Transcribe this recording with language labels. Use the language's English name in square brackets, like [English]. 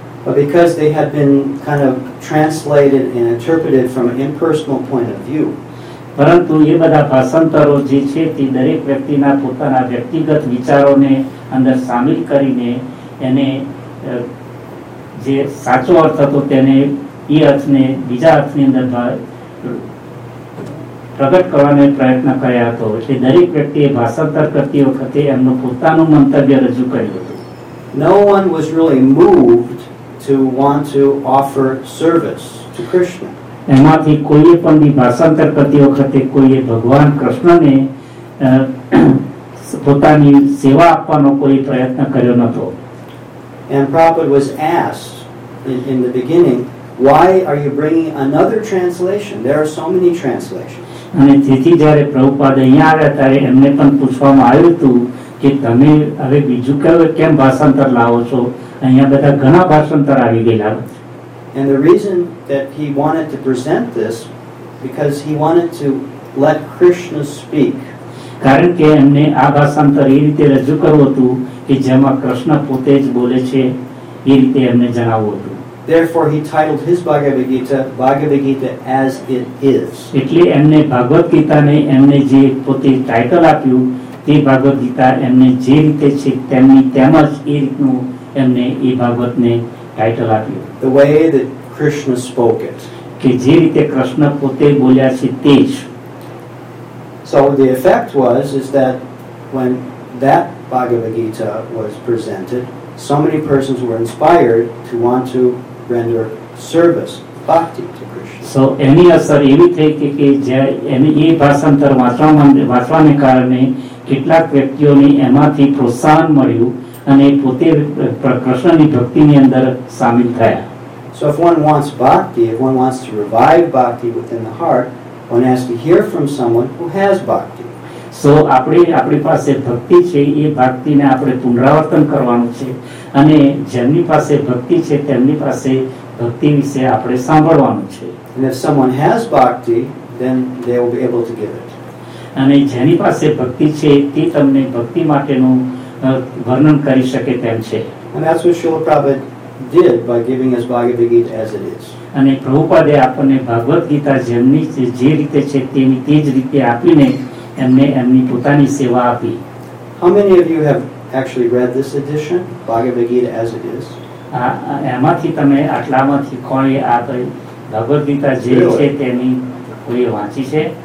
[English] But because they had been kind of translated and interpreted from an impersonal point of view. [Gujarati] પરંતુ એ બધા ભાષાંતરો જે છે તે દરેક વ્યક્તિના પોતાના વ્યક્તિગત વિચારોને અંદર સામેલ કરીને એને જે સાચો અર્થ હતો તેને એ અર્થને બીજા અર્થની અંદર પ્રગટ કરવાનો પ્રયત્ન કર્યો હતો. એટલે દરેક વ્યક્તિએ ભાષાંતર કરતી વખતે એમનું પોતાનું મંતવ્ય રજૂ કર્યું હતું. [English] No one was really moved to want to offer service to Krishna. [Gujarati] એમાંથી કોઈએ પણ ની ભાષાંતર કરતી વખતે કોઈએ ભગવાન કૃષ્ણને પોતાની સેવા આપવાનો કોઈ પ્રયત્ન કર્યો નહોતો. [English] And Prabhupada was asked in the beginning, why are you bringing another translation? There are so many translations. [Gujarati] અને તેથી જ્યારે પ્રભુપાદ અહીંયા આવ્યા ત્યારે એમને પણ પૂછવામાં આવ્યું હતું કે તમે હવે બીજું કયો કેમ ભાષાંતર લાવો છો, અહીંયા બધા ઘણા ભાષાંતર આવી ગયેલા. [English] And the reason that he wanted to present this because he wanted to let Krishna speak. [Gujarati] કારણ કે એમને આ ભાષાંતર એ રીતે રજૂ કરવું હતું કે જેમાં કૃષ્ણ પોતે જ બોલે છે એ રીતે એમને જણાવવું હતું. [English] Therefore he titled his Bhagavad Gita Bhagavad Gita as it is. [Gujarati] એટલે એમને ભાગવત ગીતાને એમને જે પોતે ટાઇટલ આપ્યું તે ભાગવત ગીતા એમને જે રીતે છે તેમની તેમ જ એ રીતનું એમને એ ભાગવતને ટાઇટલ આપ્યું. [English] The way that Krishna spoke it. [Gujarati] કે જે રીતે કૃષ્ણ પોતે બોલ્યા છે તે જ. [English] So the effect was is that when that Bhagavad Gita was presented, so many persons were inspired to want to render service, bhakti to Krishna. [Gujarati] So એની અસર એવી થઈ કે જે એને એ ભાષાંતર વાંચવાને કારણે કેટલાક વ્યક્તિઓને એમાંથી પ્રોત્સાહન મળ્યું અને પોતે કૃષ્ણની ભક્તિની અંદર સામેલ થયા. [English] So if one wants bhakti, if one wants to revive bhakti within the heart, one has to hear from someone who has bhakti. [Gujarati] સો આપણે આપણી પાસે ભક્તિ છે એ ભક્તિને આપણે પુનરાવર્તન કરવાનું છે અને જેમની પાસે ભક્તિ છે તેમની પાસે ભક્તિ વિશે આપણે સાંભળવાનું છે. [English] And if someone has bhakti, then they will be able to give it. [Gujarati] અને જેની પાસે ભક્તિ છે તે તમને ભક્તિ માટેનું વર્ણન કરી શકે તેમ છે. [English] And that's what Srila Prabhupada did by giving us Bhagavad Gita as it is. [Gujarati] અને પ્રભુપાદે આપણને ભગવદ્ ગીતા જેમની જે રીતે છે તેની તે જ રીતે આપીને એમને એમની પોતાની સેવા આપી. [English] How many of you have actually read this edition, Bhagavad Gita as it is? [Gujarati] એમાંથી તમે આટલામાંથી કોઈ આ ભગવદ્ ગીતા જે છે તેની કોઈ વાંચી છે?